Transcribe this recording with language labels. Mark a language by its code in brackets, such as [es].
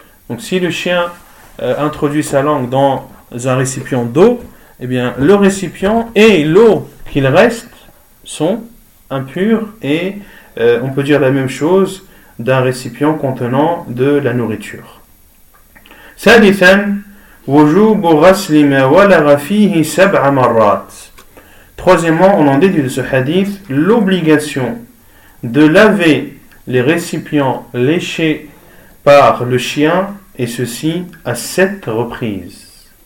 [fr] Donc si le chien introduit sa langue dans un récipient d'eau, eh bien le récipient et l'eau qu'il reste sont impur, et on peut dire la même chose d'un récipient contenant de la nourriture. [ar] Thalithan, وجوب غسل ما ولغ فيه سبع مرات. [fr] Troisièmement, on en déduit de ce hadith l'obligation de laver les récipients léchés par le chien, et ceci à 7 reprises.